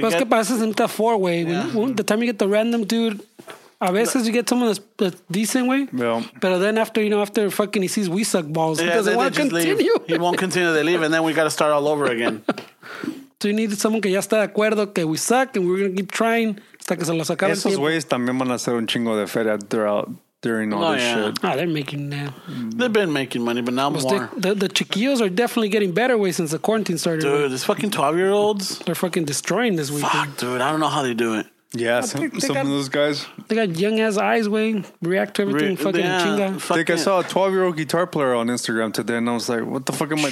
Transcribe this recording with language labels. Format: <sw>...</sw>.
<es>get... Pues que pasa es en four way. Yeah.</es> <en>The time you get the random dude,</en> <es>a veces</es> <en>you get someone that's a decent way. Yeah. But then after fucking he sees we suck balls, he doesn't want to continue. He won't continue. They leave, and then we got to start all over again. So you need someone</en> <es>que ya está de acuerdo que</es> <en>we suck, and we're going to keep trying</en> <es>hasta que se lo sacaron. Esos güeyes también van a hacer un chingo de feria throughout...</es> <en>During all shit. Oh, they're making now. They've been making money, but now more. The chiquillos are definitely getting better way since the quarantine started. Dude, right? These fucking 12-year-olds. They're fucking destroying this weekend. Fuck, dude. I don't know how they do it. Yeah, some of those guys. They got young-ass eyes, way. React to everything. Chinga. Fucking I saw a 12-year-old guitar player on Instagram today, and I was like, what the fuck am I doing?</en>